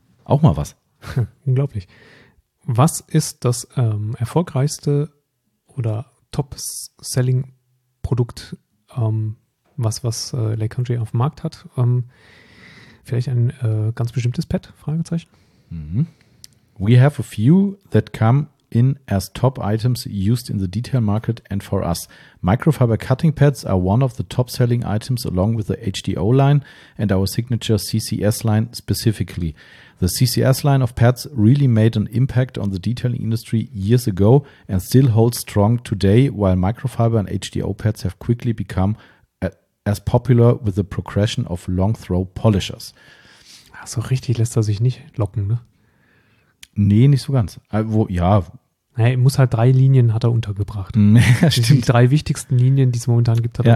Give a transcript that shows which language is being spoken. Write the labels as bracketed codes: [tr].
[de] Auch mal was. Unglaublich. Was ist das erfolgreichste oder Top-Selling-Produkt, was Lake Country auf dem Markt hat? Vielleicht ein ganz bestimmtes Pad? Fragezeichen. [en] We have a few that come in as top items used in the detail market and for us. Microfiber cutting pads are one of the top selling items along with the HDO line and our signature CCS line specifically. The CCS line of pads really made an impact on the detailing industry years ago and still holds strong today, while microfiber and HDO pads have quickly become as popular with the progression of long throw polishers. [de] So richtig lässt er sich nicht locken, ne? Nee, nicht so ganz. Wo, ja. Er muss halt drei Linien hat er untergebracht. Stimmt. Die drei wichtigsten Linien, die es momentan gibt, hat er